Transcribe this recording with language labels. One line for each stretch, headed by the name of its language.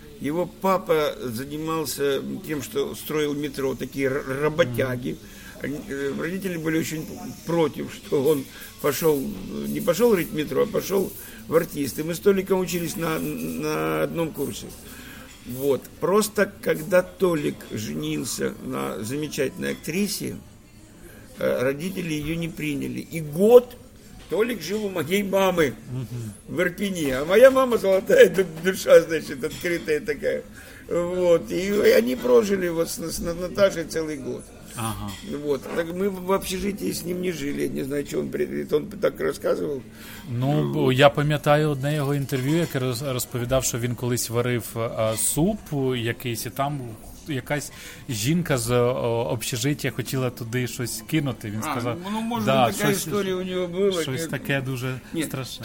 Ukrainian: Його папа займався тим, що строїв метро, такі роботяги.
Russian: Родители были очень против, что он пошел, не пошел в метро, а пошел в артисты. Мы с Толиком учились на одном курсе. Вот. Просто когда Толик женился на замечательной актрисе, родители ее не приняли. И год Толик жил у моей мамы в Ирпене. А моя мама золотая душа, значит, открытая такая. Вот. И они прожили вот с Наташей целый год. Ага. Вот. Так мы в общежитии с ним не жили. Я не знаю, что он предвидит. Он так рассказывал.
Ukrainian: Ну, я пам'ятаю одне його інтерв'ю, яке розповідав, що він колись варив суп якийсь, і там якась жінка з общежитія хотіла туди щось кинути. Він сказав, ну, може, да, така щось, історія у нього була. Щось таке дуже страшне.